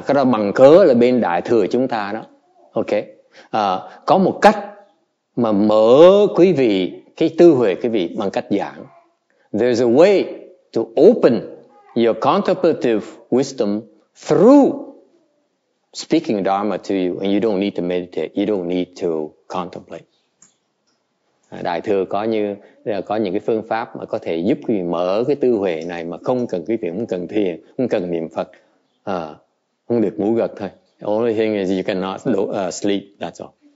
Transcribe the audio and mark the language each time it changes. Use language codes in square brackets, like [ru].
[vi] Cái đó bằng cớ là bên Đại Thừa chúng ta đó. Okay. Có một cách mà mở quý vị cái tư huệ quý vị bằng cách giảng. [en] There's a way to open your contemplative wisdom through speaking Dharma to you, and you don't need to meditate, you don't need to contemplate. [vi] Đại Thừa có những cái phương pháp mà có thể giúp quý vị mở cái tư huệ này mà không cần quý vị, không cần thiền, không cần niệm Phật, không được ngủ gật thôi. [en] The only thing is you cannot sleep, that's all.